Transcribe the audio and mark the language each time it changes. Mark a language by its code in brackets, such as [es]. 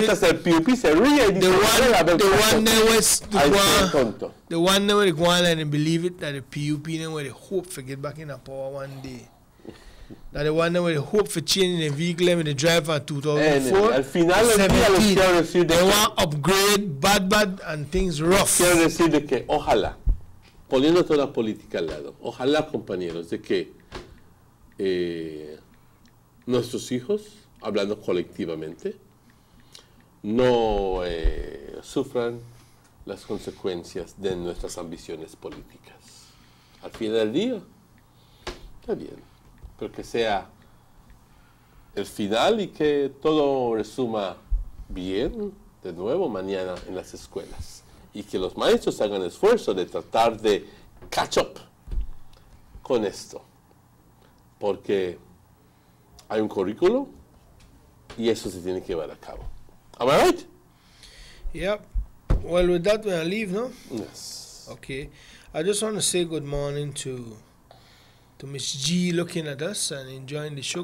[en] Later said, POP said, really? The one they were going and believe it, that the POP, they were the hope for get back in the power one day. That the one that we hope for changing the vehicle and the driver in 2004. And finally, they want upgrade, bad, and things rough. [es] Quiero decir de que, ojalá, poniendo toda la política al lado, ojalá, compañeros, de que nuestros hijos, hablando colectivamente, no sufran las consecuencias de nuestras ambiciones políticas. Al fin del día, está bien. Pero que sea el final y que todo resuma bien de nuevo mañana en las escuelas. Y que los maestros hagan esfuerzo de tratar de [en] catch up [es] con esto. Porque hay un currículo y eso se tiene que llevar a cabo. [en] ¿Am I right? Yep. Well, with that, we're gonna leave, ¿no? Yes. Okay. I just want to say good morning to Miss G looking at us and enjoying the show.